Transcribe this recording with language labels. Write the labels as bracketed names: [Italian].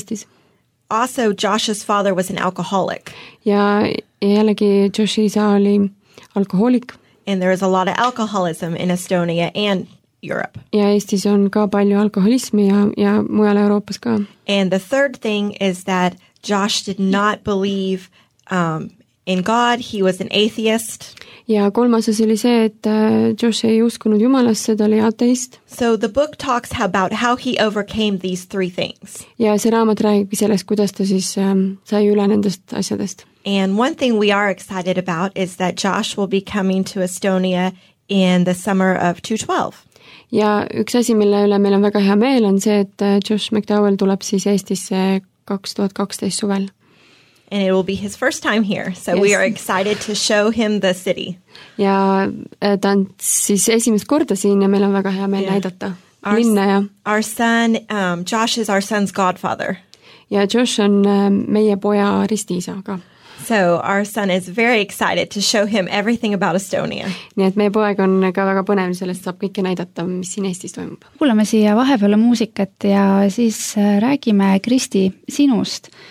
[Estonian] Eestis. [English] Also, Josh's father was an alcoholic. [Estonian] Ja jällegi Josh'i isa oli alkoholik. [English] And there is a lot of alcoholism in Estonia and Europe. [Estonian] Ja Eestis on ka palju alkoholismi ja mujal Euroopas ka. [English] And the third thing is that Josh did not believe in God, he was an atheist. [Estonian] Ja kolmas oli see, et Josh ei uskunud Jumalasse, ta oli ateist. [English] So the book talks about how he overcame these three things. [Estonian] Ja see raamat räägib sellest, kuidas ta siis sai üle nendest asjadest. [English] And one thing we are excited about is that Josh will be coming to Estonia in the summer of 2012. [Estonian] Ja üks asi, mille üle meil on väga hea meel, on see, et Josh McDowell tuleb siis Eestisse 2012 suvel. [English] And it will be his first time here, so yes. We are excited to show him the city. [Estonian] Ja ta on siis esimest korda siin ja meil on väga hea meel yeah. näidata linna ja. [English] Our son, Josh is our son's godfather. [Estonian] Ja Josh on meie poja ristiisa ka. [English] So our son is very excited to show him everything about Estonia. [Estonian] Nii et meie poeg on ka väga põnev, sellest saab kõike näidata, mis siin Eestis toimub. Kuuleme siia vahepeale muusikat ja siis räägime Kristi sinust.